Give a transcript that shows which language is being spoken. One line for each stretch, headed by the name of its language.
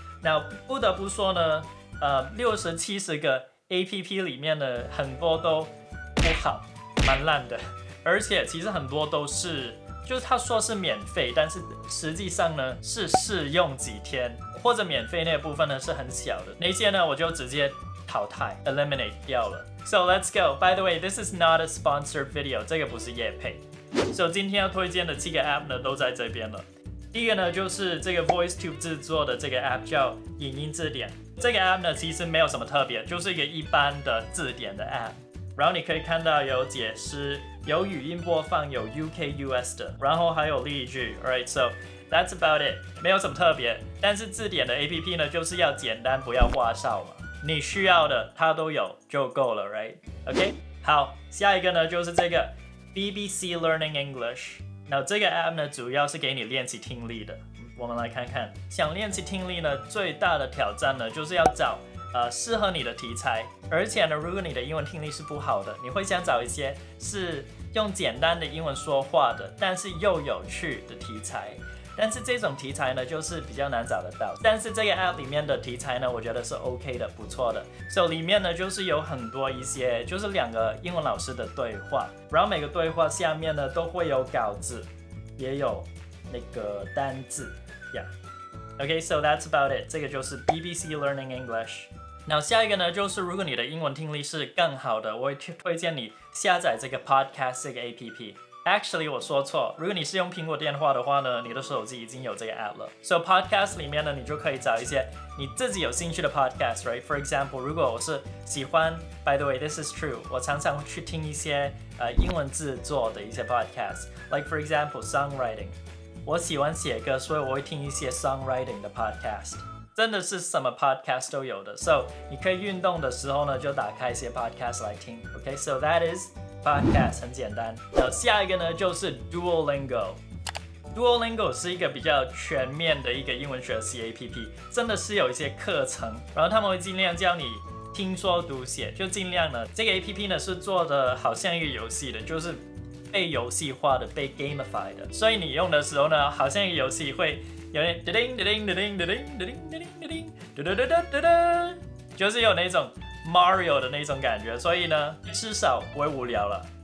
Chinese: 那不得不说呢，60-70个 APP 里面呢，很多都不好，蛮烂的，而且其实很多都是。就是他说是免费，但是实际上呢是试用几天，或者免费那部分呢是很小的，那些呢我就直接淘汰 eliminate 掉了。
English: So let's go. By the way, this is not a sponsored video.
Chinese: 这个不是业配。 So 今天要推荐的七个 app 呢都在这边了。第一个呢就是这个 VoiceTube 制作的这个 app 叫影音字典。这个 app 呢其实没有什么特别，就是一个一般的字典的 app，然后你可以看到有解释，有语音播放，有 UK US 的，然后还有例句。
English: Alright, so that's about it.
Chinese: 没有什么特别，但是字典的 APP 呢就是要简单，不要花哨嘛，你需要的它都有就够了。
English: Right, OK,
Chinese: 好，下一个呢就是这个 BBC Learning English。那这个 app 呢主要是给你练习听力的。我们来看看，想练习听力呢最大的挑战呢就是要找适合你的题材，而且呢，如果你的英文听力是不好的，你会想找一些是用简单的英文说话的，但是又有趣的题材。但是这种题材呢，就是比较难找得到。但是这个 app 里面的题材呢，我觉得是 OK 的，不错的。所以里面呢，就是有很多一些，就是两个英文老师的对话，然后每个对话下面呢，都会有稿子，也有那个单字呀。
English: Yeah. Okay, so that's about it.
Chinese: 这个就是
English: BBC Learning English.
Chinese: 那下一个呢，就是如果你的英文听力是更好的，我会推荐你下载这个 Podcast 这个 APP. Actually, 我说错，如果你是用苹果电话的话呢，你的手机已经有这个 app 了。 So Podcast 里面呢，你就可以找一些你自己有兴趣的 Podcast, right?
English: For example,
Chinese: 如果我是喜欢
English: ，By the way, this is true.
Chinese: 我常常去听一些英文制作的一些 Podcast,
English: like for example,
Chinese: songwriting. 我喜欢写歌，所以我会听一些 songwriting 的 podcast， 真的是什么 podcast 都有的。 So 你可以运动的时候呢，就打开一些 podcast 来听。
English: Okay, so that is podcast，
Chinese: 很简单。那下一个呢，就是 Duolingo。Duolingo 是一个比较全面的一个英文学习 APP， 真的是有一些课程，然后他们会尽量教你听说读写，就尽量呢。这个 APP 呢是做的好像一个游戏的，就是。被游戏化的，被 gamified 的，所以你用的时候呢，好像一个游戏会有点叮叮叮叮叮叮叮叮叮叮叮叮叮叮叮叮叮叮叮，就是有那种 Mario 的那种感觉，所以呢，至少不会无聊了。